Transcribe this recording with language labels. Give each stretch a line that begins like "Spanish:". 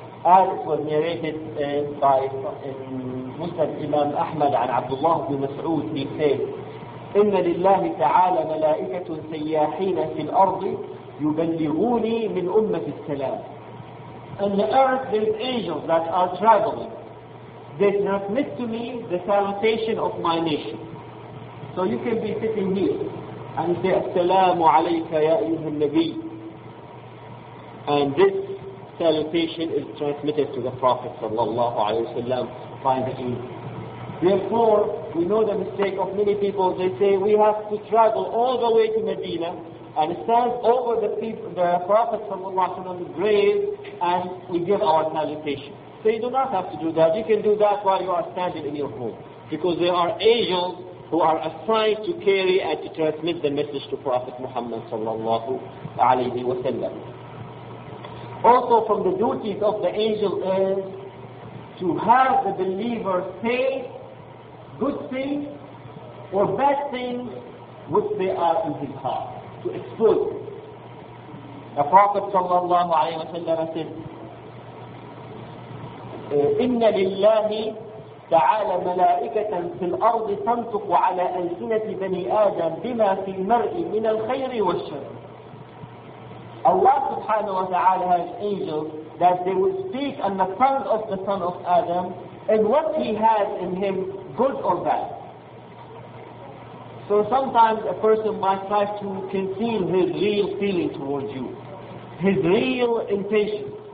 English: As it was narrated by Musnad Imam Ahmad
Arabic: عن عبد الله بن مسعود,
English: he said,
Arabic: إن لله تعالى ملائكة سياحين في الأرض يبلغوني من أمة السلام.
English: In the earth there is angels that are traveling. They transmit to me the salutation of my nation. So you can be sitting here and say,
Arabic: السلام عليك يا أيها النبي.
English: And this salutation is transmitted to the Prophet sallallahu alayhi wa sallam by the angels. Therefore, we know the mistake of many people. They say, we have to travel all the way to Medina and stand over the Prophet sallallahu alayhi wa sallam's grave and we give our salutation. So you do not have to do that. You can do that while you are standing in your home. Because there are angels who are assigned to carry and to transmit the message to Prophet Muhammad sallallahu alayhi wa sallam. Also from the duties of the angel is to have the believer say good things or bad things which they are in his heart, to expose it. The Prophet sallallahu alayhi wa sallam said,
Arabic: إِنَّ لِلَّهِ تَعَالَ مَلَائِكَةً فِي الْأَرْضِ تَنْطُقُ عَلَىٰ أَلْسِنَةِ بَنِي آدَمْ بِمَا فِي الْمَرْءِ مِنَ الْخَيْرِ وَالشَّرِ.
English: Allah subhanahu wa ta'ala has angels that they will speak on the tongue of the son of Adam and what he has in him, good or bad. So sometimes a person might try to conceal his real feeling towards you, his real intention.